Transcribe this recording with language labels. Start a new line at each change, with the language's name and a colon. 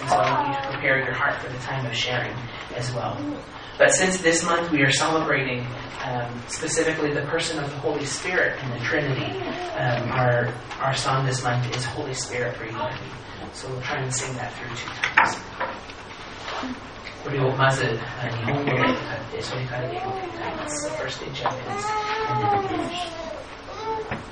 English: And so I want you to prepare your heart for the time of sharing as well. But since this month we are celebrating specifically the person of the Holy Spirit in the Trinity, our song this month is Holy Spirit Reunited. So we'll try and sing that through two times.
Japanese: これをまず日本語で歌って、それから英語で歌います。
English: The first in Japanese and then in English.